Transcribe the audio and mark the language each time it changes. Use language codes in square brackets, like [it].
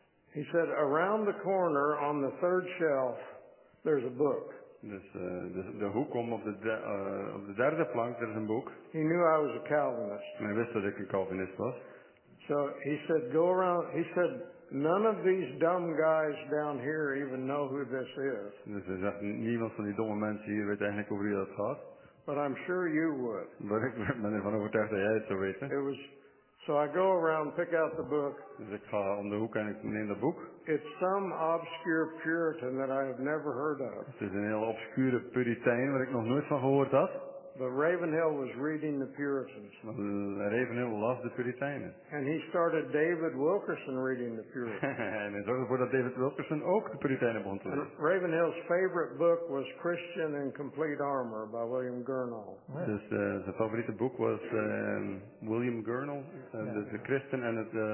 [en] He said, around the corner on the third shelf, there's a book. [nl] Dus de hoek om op de derde plank, er is een boek. [en] He knew I was a Calvinist. [nl] En hij wist dat ik een Calvinist was. [en] So he said, go around. He said, none of these dumb guys down here even know who this is. [nl] Dus hij zegt, niemand van die domme mensen hier weet eigenlijk over wie dat gaat. [en] But I'm sure you would. [nl] Maar ik ben ervan overtuigd dat jij het zou weten. [en] It was... So I go around, pick out the book. [nl] Dus ik ga om de hoek en ik neem de boek. [en] It's some obscure Puritan that I have never heard of. [nl] Het is een heel obscure Puritein waar ik nog nooit van gehoord had. [en] But Ravenhill was reading the Puritans. Ravenhill loved the Puritans. And he started David Wilkerson reading the Puritans. [nl] En hij zorgde ervoor dat David Wilkerson ook de Puritanen begon te lezen. [en] Ravenhill's favorite book was Christian in Complete Armor by William Gurnall. Yeah. [nl] Dus zijn favoriete boek was William Gurnall, de Christen en het